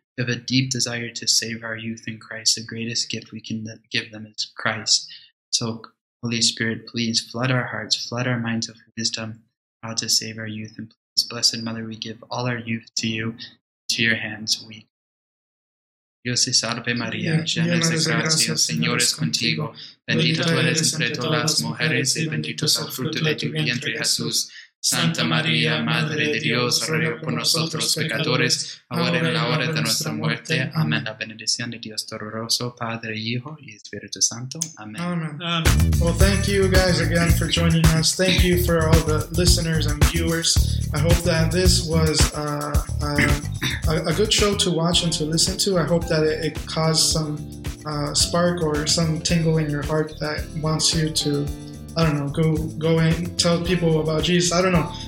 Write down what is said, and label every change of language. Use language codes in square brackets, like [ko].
[en] We have a deep desire to save our youth in Christ. The greatest gift we can give them is Christ. So, Holy Spirit, please flood our hearts, flood our minds of wisdom, how to save our youth. And please, Blessed Mother, we give all our youth to you, to your hands. We. [es] Dios te salve María, llena de gracia, Señor es contigo. Bendita tú eres entre todas las mujeres y bendito es el fruto de tu vientre, Jesús. Santa María, Madre de Dios, ruega por nosotros pecadores, ahora y en la hora de nuestra muerte. Amén. La bendición de Dios Todopoderoso, Padre, Hijo y Espíritu Santo. Amén. [en] Amen. Well, thank you guys again for joining us. Thank you for all the listeners and viewers. I hope that this was a good show to watch and to listen to. I hope that it caused some spark or some tingle in your heart that wants you to, I don't know, go and tell people about Jesus. I don't know.